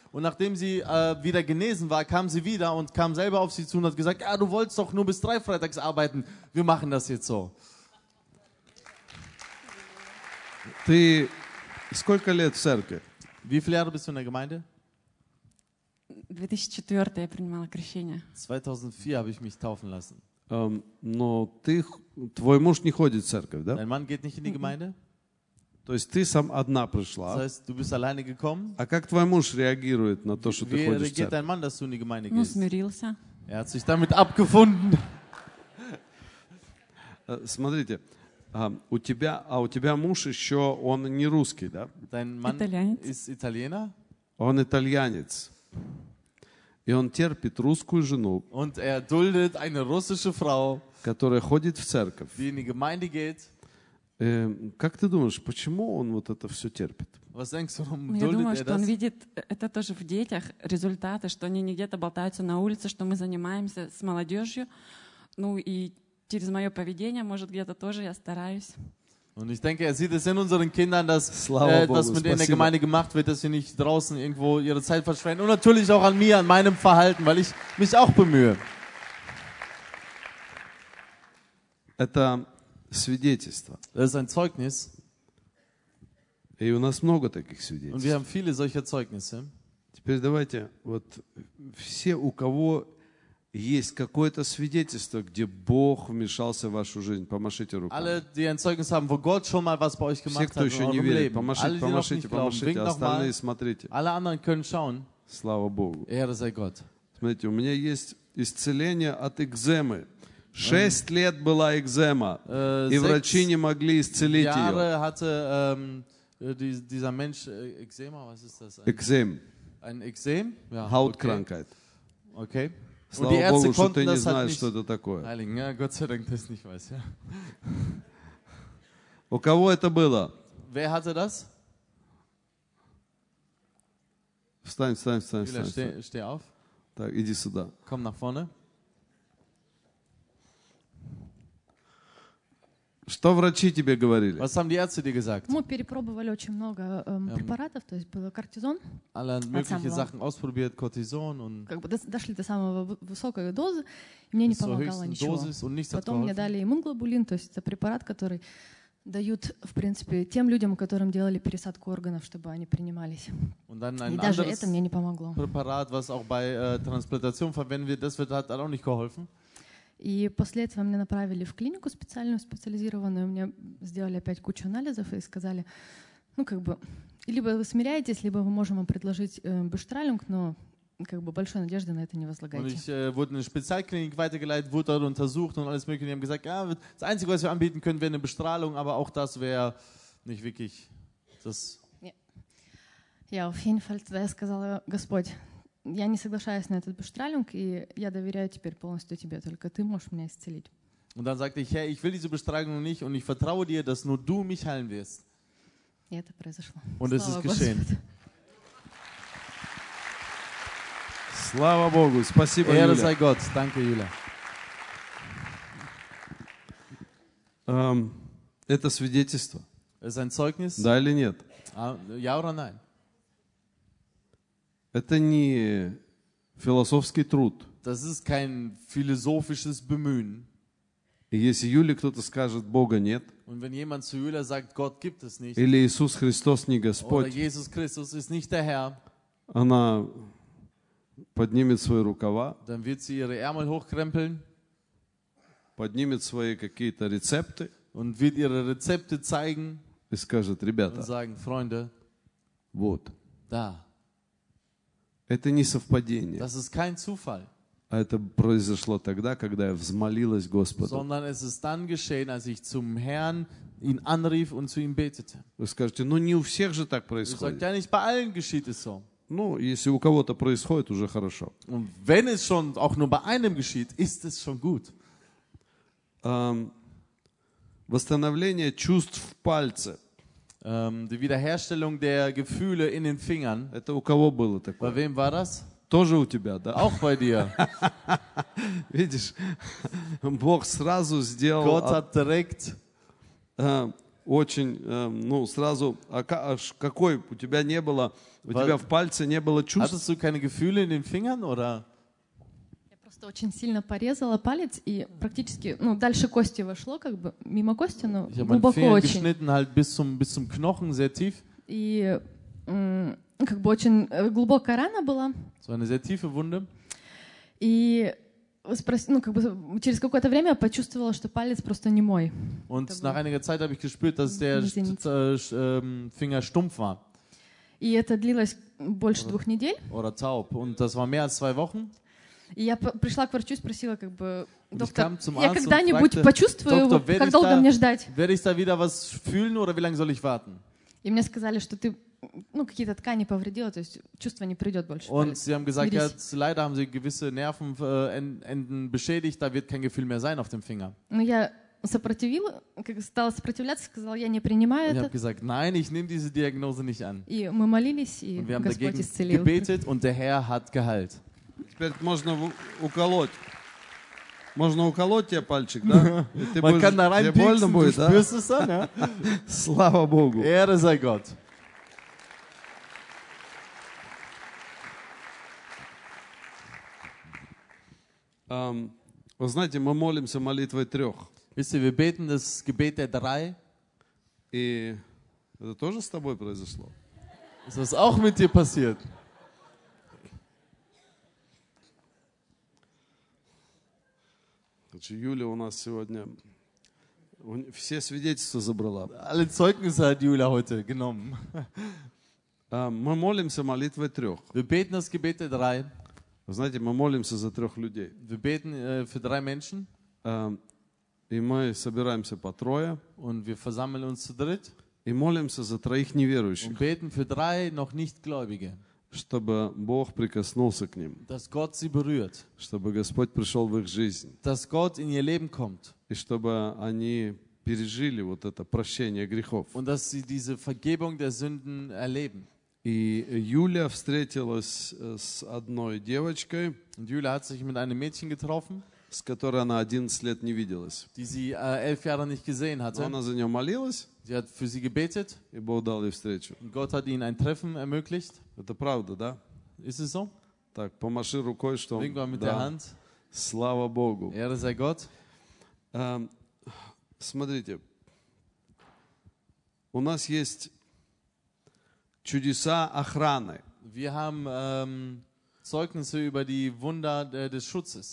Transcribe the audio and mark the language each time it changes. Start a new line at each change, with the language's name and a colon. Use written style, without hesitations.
German: Und nachdem sie wieder genesen war, kam sie wieder und kam selber auf sie zu und hat gesagt, ja, du wolltest doch nur bis 3 freitags arbeiten. Wir machen das jetzt so. Wie viele Jahre bist du in der Gemeinde?
Russian: 2004, я принимала крещение.
German: 2004 habe ich mich taufen lassen.
Russian: Но ты, твой муж не ходит в церковь, да?
German: Dein Mann geht nicht in die Gemeinde.
Russian: То есть ты сам одна пришла.
German: Das heißt, du bist alleine gekommen.
Russian: А как твой муж реагирует на то, что ты ходишь в церковь?
German: Wie reagiert dein Mann, dass du in die Gemeinde gehst?
Russian: Ну, смирился.
German: Er hat sich damit abgefunden.
Russian: Смотрите. У тебя муж еще, он не русский, да?
German: Dein Mann Italienец. Ist Italiener?
Russian: Он итальянец. И он терпит русскую жену,
German: und er duldet eine russische Frau,
Russian: которая ходит в церковь.
German: Die in die Gemeinde geht.
Russian: Как ты думаешь, почему он вот это все терпит?
German: Was denkst du, warum duldet er das?
Russian: Я думаю, что он видит это тоже в детях, результаты, что они не где-то болтаются на улице, что мы занимаемся с молодежью. Ну и через мое поведение, может, где-то тоже я стараюсь.
German: Und ich denke, er sieht es in unseren Kindern, dass etwas mit in der Gemeinde gemacht wird, dass sie nicht draußen irgendwo ihre Zeit verschwenden. Und natürlich auch an mir, an meinem Verhalten, weil ich mich auch bemühe.
Russian: Это свидетельство.
German: Das ist ein Zeugnis.
Russian: И у нас много таких свидетельств.
German: Und wir haben viele solcher Zeugnisse.
Russian: Теперь давайте, вот все, у кого есть какое-то свидетельство, где Бог вмешался в вашу жизнь? Помашите руками.
German: Alle, die ein Zeugnis haben, wo Gott schon mal was bei euch gemacht hat.
Russian: Все, кто еще не верит, помашите. Остальные смотрите.
German: Alle anderen können schauen.
Russian: Слава Богу.
German: Ehre sei Gott.
Russian: Смотрите, у меня есть исцеление от экземы. 6 лет была экзема, и врачи не могли исцелить ее.
German: 6 Jahre hatte dieser Mensch Eczema, was ist das?
Russian: Экзем.
German: Ein Ekzem? Ja, Hautkrankheit. Okay.
Russian: Слава Богу, что ты не знаешь, что это такое.
German: Heiligen, ja, Gott sei Dank, das nicht weiß, ja.
Russian: У кого это было?
German: Wer hatte das?
Russian: Встань.
German: Steh auf.
Russian: Так, иди сюда.
German: Komm nach vorne.
Russian: Что врачи тебе говорили?
German: Was haben die Ärzte dir gesagt?
Russian: Мы перепробовали очень много препаратов, то есть было кортизон.
German: Alle möglichen Sachen ausprobiert, Cortison und.
Russian: Как бы дошли до самого высокой дозы, и мне не помогало ничего.
German: Dosis und nichts
Russian: Потом мне дали иммуноглобулин, то есть это препарат, который дают, в принципе, тем людям, которым делали пересадку органов, чтобы они принимались.
German: Und dann ein
Russian: и даже это мне не помогло. Препарат,
German: was auch bei Transplantation verwendet wird, das wird hat auch nicht geholfen.
Russian: И после этого меня направили в клинику специальную, специализированную. Мне сделали опять кучу анализов и сказали, ну как бы, либо вы смиряетесь, либо мы можем вам предложить бюштральнг, но как бы большой надежды на это не возлагайте.
German: Und ich wurde in eine Spezialklinik weitergeleitet, wurde dort untersucht und alles mögliche. Die haben gesagt, ja, das Einzige, was wir anbieten können, wäre eine Bestrahlung, aber auch das wäre nicht wirklich das. Ja, auf jeden Fall, da
Russian: я сказала, Господь, я не соглашаюсь на этот бестрайлинг, и я доверяю теперь полностью тебе, только ты можешь меня исцелить.
German: Und dann sagte ich, Herr, ich will diese Bestrahlung nicht und ich vertraue dir, dass nur du mich heilen wirst.
Russian: И это произошло.
German: Und es ist geschehen.
Russian: Слава Богу, спасибо,
German: Юля. Ehre sei Gott, danke, Юля.
Russian: Это свидетельство.
German: Es ist ein Zeugnis.
Russian: Да или нет?
German: Ja oder nein?
Russian: Это не философский труд.
German: Das ist kein philosophisches Bemühen.
Russian: И если Юле кто-то скажет, Бога нет,
German: und wenn jemand zu Юле sagt, Gott gibt es nicht,
Russian: или Иисус Христос не Господь,
German: oder Jesus Christus ist nicht der Herr,
Russian: она поднимет свои рукава,
German: dann wird sie ihre Ärmel hochkrempeln,
Russian: поднимет свои какие-то рецепты,
German: und wird ihre Rezepte zeigen,
Russian: и скажет, ребята,
German: und sagen, Freunde,
Russian: вот,
German: da.
Russian: Это не совпадение.
German: Das ist kein Zufall.
Russian: А это произошло тогда, когда я взмолилась Господу.
German: Sondern es ist dann geschehen, als ich zum Herrn ihn anrief und zu ihm betete.
Russian: Вы скажете, ну не у всех же так происходит.
German: Ich sage, ja, nicht bei allen geschieht es so.
Russian: Ну, если у кого-то происходит, уже хорошо.
German: Und wenn es schon auch nur bei einem geschieht, ist es schon gut.
Russian: Восстановление чувств в пальце.
German: Die Wiederherstellung der Gefühle in den Fingern.
Russian: Это у кого было такое?
German: Bei wem war das?
Russian: Тоже у тебя, да?
German: Auch bei dir.
Russian: Видишь, Бог сразу сделал...
German: Gott hat direkt...
Russian: Очень, ну, сразу... какой? У тебя не было... У тебя в пальце не было чувств?
German: Hattest du keine Gefühle in den Fingern, oder?
Russian: Я просто очень сильно порезала палец, и практически, ну, дальше кости вошло, как бы, мимо кости, но глубоко очень.
German: Geschnitten halt bis zum Knochen, sehr tief.
Russian: И... как бы очень глубокая рана была.
German: So eine sehr tiefe Wunde.
Russian: И через какое-то время я почувствовала, что палец просто не мой.
German: Und nach einiger Zeit habe ich gespürt, dass der Finger stumpf war.
Russian: И это длилось больше двух недель.
German: Oder taub. Und das war mehr als zwei Wochen.
Russian: И я пришла к врачу и спросила, как бы, доктор, я когда-нибудь
German: fragte,
Russian: почувствую его, как долго мне ждать?
German: Werde ich da wieder was fühlen oder wie lange soll ich warten?
Russian: И мне сказали, что ты ну, какие-то ткани повредила, то есть чувство не придет больше.
German: Und sie haben gesagt, ja, leider haben sie gewisse Nervenenden beschädigt, da wird kein Gefühl mehr sein auf dem Finger.
Russian: Ну, я сопротивила, как стала сопротивляться, сказала, я не принимаю это.
German: Ich habe gesagt, nein, ich nehme diese Diagnose nicht an.
Russian: И мы молились, и Господь исцелил.
German: Und wir haben dagegen gebetet, und der Herr hat geheilt.
Russian: Теперь можно уколоть. Можно уколоть тебе пальчик, да?
German: Man kann da reinpiksen, du spürst es dann, ja?
Russian: Слава Богу.
German: Ehre sei Gott.
Russian: Вы знаете, мы молимся молитвой трех. Если вы
German: beten das Gebet der drei,
Russian: и это тоже с тобой произошло.
German: Ist das auch mit dir passiert?
Russian: Значит, Юля у нас сегодня все свидетельства забрала.
German: Alle Zeugnisse hat Julia heute genommen.
Russian: Мы молимся молитвой трех.
German: Wir beten das Gebet der drei.
Russian: Вы знаете, мы молимся за трех людей.
German: Wir beten für drei Menschen.
Russian: И мы собираемся по трое.
German: Und wir versammeln uns zu dritt.
Russian: И молимся за троих неверующих.
German: Und beten für drei noch nicht Gläubige.
Russian: Чтобы Бог прикоснулся к ним.
German: Dass Gott sie berührt.
Russian: Чтобы Господь пришел в их жизнь.
German: Dass Gott in ihr Leben kommt.
Russian: И чтобы они пережили вот это прощение грехов.
German: Und dass sie diese Vergebung der Sünden erleben.
Russian: И Юля встретилась с одной девочкой.
German: Und Julia hat sich mit einem Mädchen getroffen,
Russian: с которой она 11 лет не виделась.
German: Die sie 11 Jahre nicht gesehen hatte.
Russian: Она за нее молилась.
German: Sie hat für sie gebetet.
Russian: И Бог дал ей встречу.
German: Und Gott hat ihnen ein Treffen ermöglicht.
Russian: Это правда, да?
German: Ist es so?
Russian: Так, помаши рукой, что
German: Wink mal mit der Hand.
Russian: Слава Богу.
German: Ehre sei Gott.
Russian: Смотрите, у нас есть чудеса охраны.
German: Wir haben Zeugnisse über die Wunder des Schutzes.